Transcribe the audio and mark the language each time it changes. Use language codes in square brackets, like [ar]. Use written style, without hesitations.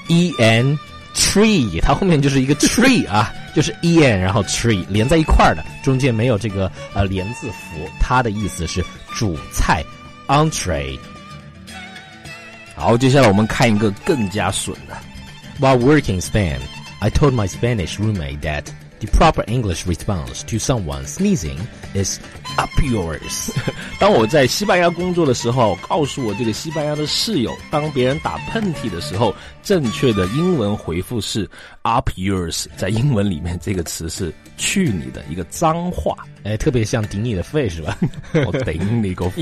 [zh] ，e n tree， 它后面就是一个 tree 啊。就是 en 然后 tree 连在一块儿的，中间没有这个连字符，它的意思是主菜 entree。好，接下来我们看一个更加损的。 [en] While working Spain I told my Spanish roommate that the proper English response to someone sneezing is up yours。 [zh] 当我在西班牙工作的时候，告诉我这个西班牙的室友，当别人打喷嚏的时候，正确的英文回复是 [en] up yours。 [zh] 在英文里面这个词是去你的，一个脏话。哎，特别像顶你的肺是吧？我顶你个肺，